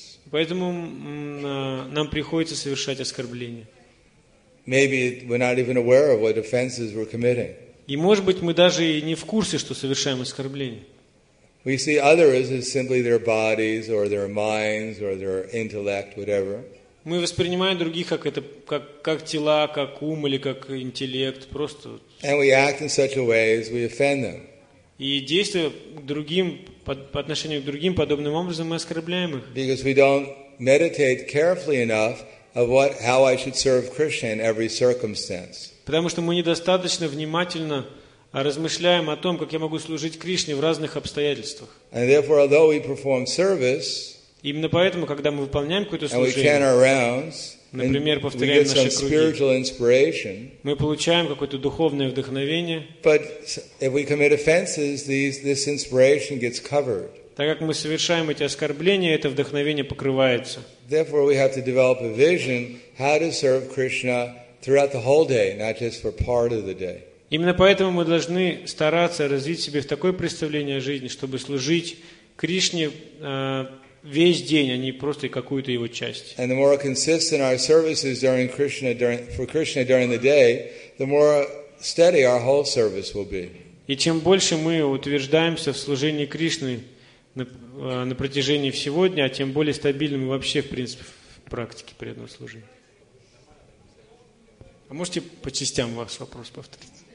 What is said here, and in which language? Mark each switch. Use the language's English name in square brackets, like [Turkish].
[Russian] Поэтому нам приходится совершать оскорбления. [English] Maybe we're not even aware of what offenses we're committing. [Russian] И может быть мы даже и не в курсе, что совершаем оскорбление. [English] We see others as simply their bodies or their minds or their intellect, whatever. [Russian] Мы воспринимаем других как тела, как ум или как интеллект просто. [English] And we act in such a way as we offend them. [Russian] И действуя другим по отношению к другим подобным образом мы оскорбляем их. [English] Because we don't meditate carefully enough. Of what, how I should serve Krishna in every circumstance. [Russian] Потому что мы недостаточно внимательно размышляем о том, как я могу служить Кришне в разных обстоятельствах. [English] And therefore, although we perform service, [Russian] именно поэтому, когда мы выполняем какое-то служение, [English] and we chant our rounds, [Russian] например, повторяем наши круги, [English] we get some spiritual inspiration. [Russian] Мы получаем какое-то духовное вдохновение. [English] But if we commit offenses, this inspiration gets covered. [Russian] Так как мы совершаем эти оскорбления, это вдохновение покрывается. [English] Therefore, we have to develop a vision how to serve Krishna throughout the whole day, not just for part of the day. [Russian] Именно поэтому мы должны стараться развить себе в такое представление о жизни, чтобы служить Кришне весь день, а не просто какую-то его часть. [English] And the more consistent our service is during Krishna, for Krishna during the day, the more steady our whole service will be. [Russian] И чем больше мы утверждаемся в служении Кришны на протяжении всего дня, тем более стабильным вообще, в принципе, в практике при этом служении. А можете по частям ваш вопрос повторить?